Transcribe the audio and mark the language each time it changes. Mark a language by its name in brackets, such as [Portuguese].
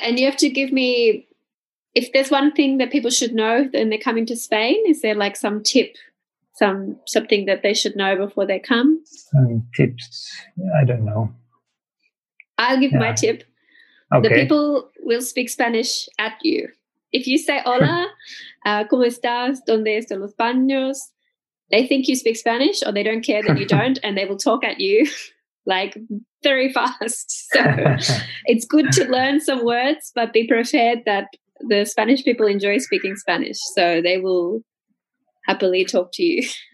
[English] And you have to give me, if there's one thing that people should know and they're coming to Spain, is there like some tip something that they should know before they come? Some tips? I don't know. I'll give my tip. Okay. The people will speak Spanish at you. If you say [Spanish] hola, ¿cómo estás? ¿Dónde están los baños? [English] They think you speak Spanish or they don't care that you don't, and they will talk at you like very fast. So it's good to learn some words, but be prepared that the Spanish people enjoy speaking Spanish, so they will happily talk to you.